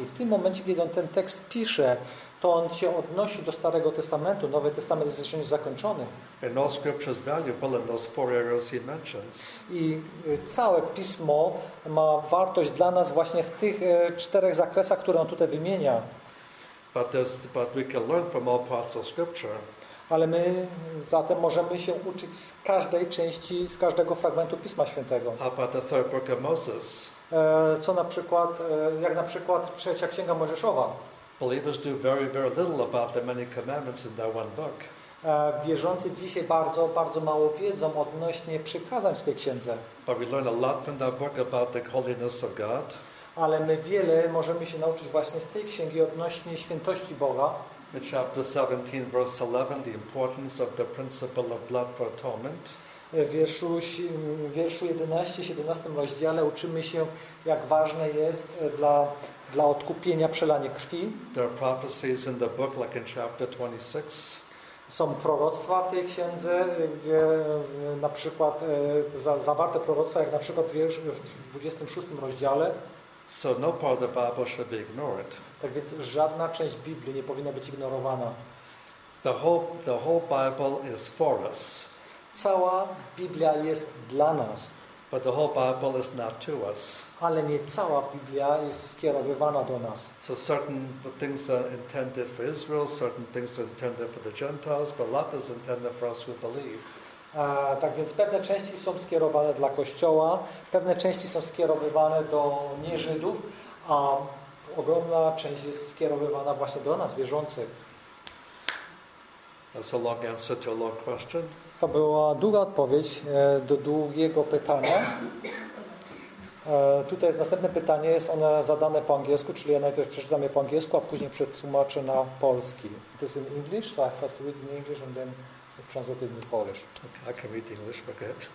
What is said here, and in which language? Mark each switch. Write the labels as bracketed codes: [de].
[pl] W tym momencie, kiedy on ten tekst pisze, to on się odnosi do Starego Testamentu. Nowy Testament jest jeszcze nie zakończony. [en] And all scriptures valuable in those four areas he mentions. [pl] I całe pismo ma wartość dla nas właśnie w tych czterech zakresach, które on tutaj wymienia. [en] But we can learn from all parts of scripture. [pl] Ale my zatem możemy się uczyć z każdej części, z każdego fragmentu Pisma Świętego. [en] How about the third book of Moses? [pl] Co na przykład, jak na przykład trzecia księga Mojżeszowa. [en] Believers do very, very little about the many commandments in that one book. [pl] Wierzący dzisiaj bardzo, bardo mało wiedzą odnośnie przykazań w tej księdze. [en] But we learn a lot from that book about the holiness of God. [pl] Ale my wiele możemy się nauczyć właśnie z tej księgi odnośnie świętości Boga. [en] In chapter 17, verse 11, the importance of the principle of blood for atonement. [pl] W wierszu 11, 17 rozdziale uczymy się, jak ważne jest dla odkupienia przelanie krwi. [en] There are prophecies in the book, like in chapter 26. [pl] Są proroctwa w tej księdze, gdzie na przykład zawarte proroctwa, jak na przykład w 26 rozdziale. [en] So no part of the Bible should be ignored. [pl] Tak więc żadna część Biblii nie powinna być ignorowana. [en] The whole Bible is for us. [pl] Cała Biblia jest dla nas. [en] But the whole Bible is not to us. [pl] Ale nie cała Biblia jest skierowywana do nas. [en] So certain things are intended for Israel, certain things are intended for the Gentiles, but a lot is intended for us who believe. [pl] Tak więc pewne części są skierowane dla Kościoła, pewne części są skierowywane do nieżydów, a ogromna część jest skierowywana właśnie do nas, wierzących. [en] That's a long answer to a long question. [pl] To była długa odpowiedź do długiego pytania. Tutaj jest następne pytanie, jest ono zadane po angielsku, czyli ja najpierw przeczytam je po angielsku, a później przetłumaczę na polski. [en] It is in English, so I have to read in English and then translate it in Polish. Okay, I can read English, okay.